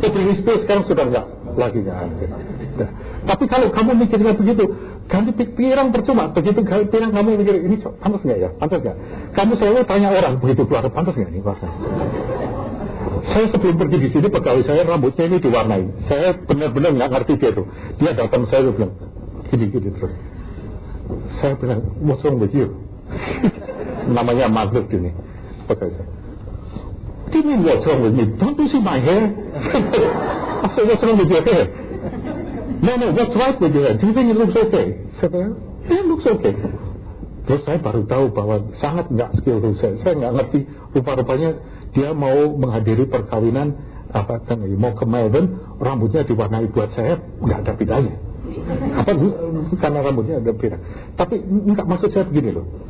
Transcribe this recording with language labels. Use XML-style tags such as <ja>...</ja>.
<id>Britney Spears sekarang sudah enggak lagi enggak ada. Nah, tapi kalau kamu mikirnya begitu, ganti pirang percuma. Begitu ganti pirang kamu mikir ini pantas enggak ya? Pantas enggak? Kamu selalu tanya orang begitu keluar pantas enggak ini rasa. Saya sebelum pergi di sini pegawai saya rambutnya ini diwarnai. Saya benar-benar enggak ngerti dia itu. Dia datang saya bilang gini-gini terus. Saya bilang,</id> <en>what's wrong with you?</en> <id>Namanya Margaret ini. Pakai saya.</id> <en>What do you mean what's wrong with me? Don't you see my hair? I said, what's wrong with your hair? No, what's right with your hair? Do you think it looks okay?</en> <id>Saya,</id> <en>it looks okay.</en> <id>Terus saya baru tahu bahwa sangat enggak skillful saya. Saya enggak ngerti. Rupa-rupanya dia mau menghadiri perkawinan apa kan? Mau ke Melbourne, rambutnya diwarnai buat saya, enggak ada bedanya. Apa karena rambutnya agak pirang. Tapi enggak maksud saya begini loh.</id>